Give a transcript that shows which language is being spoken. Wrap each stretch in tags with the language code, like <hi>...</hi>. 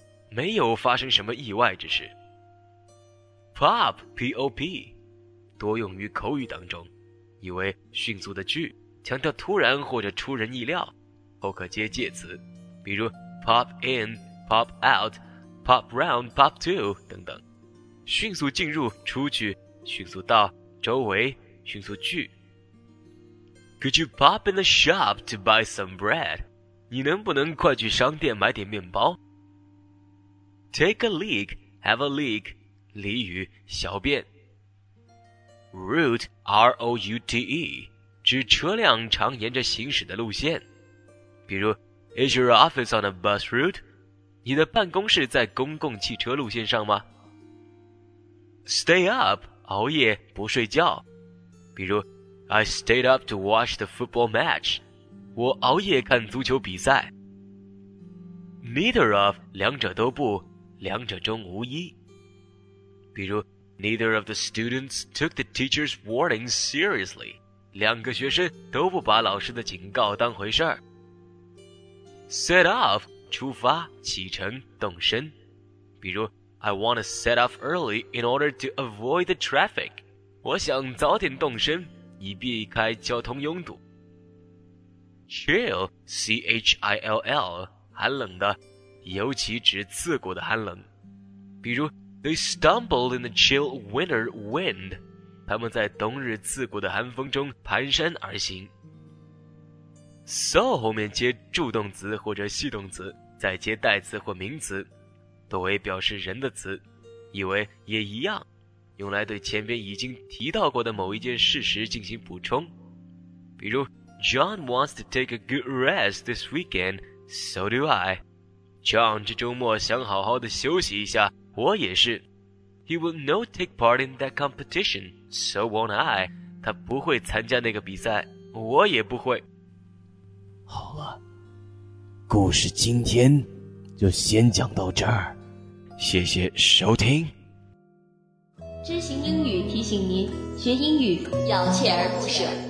<zh>没有发生什么意外之事。</zh> <en>Pop, P-O-P,</en> <zh>多用于口语当中，以为迅速的句，强调突然或者出人意料，后可接介词。比如</zh> <en>Pop in, pop out, pop round, pop to,</en> <zh>等等。迅速进入、出去、迅速到、周围、迅速去。</zh> <en>Could you pop in the shop to buy some bread?</en> <zh>你能不能快去商店买点面包？</zh> <en>Take a leak, have a leak,</en> <zh>俚语，小便。</zh> <en>Route, R-O-U-T-E,</en> <zh>指车辆常沿着行驶的路线。比如</zh> <en>Is your office on a bus route?</en> <zh>你的办公室在公共汽车路线上吗？</zh> <en>Stay up,</en> <zh>熬夜，不睡觉。比如</zh> <en>I stayed up to watch the football match.</en> <zh>我熬夜看足球比赛。</zh> <en>Neither of,</en> <zh>两者都不，两者中无一。比如</zh> <en>Neither of the students took the teacher's warning seriously.</en> <zh>两个学生都不把老师的警告当回事儿。</zh> <en>Set off,</en> <zh>出发，启程，动身。比如</zh> <en>I want to set off early in order to avoid the traffic.</en> <zh>我想早点动身，以避开交通拥堵。</zh> <en>Chill, C-H-I-L-L,</en> <zh>寒冷的，尤其指刺骨的寒冷。比如</zh> <en>They stumbled in the chill winter wind.</en> <zh>他们在冬日刺骨的寒风中蹒跚而行。 So 后面接助动词或者系动词，再接代词或名词，多为表示人的词，以为也一样，用来对前边已经提到过的某一件事实进行补充。比如</zh> <en>John wants to take a good rest this weekend, so do I.</en> <zh>John 这周末想好好的休息一下，我也是。</zh> <en>He will not take part in that competition, so won't I.</en> <zh>他不会参加那个比赛，我也不会。好了，故事今天就先讲到这儿，谢谢收听。知行英语提醒您，学英语要锲而不舍。</zh>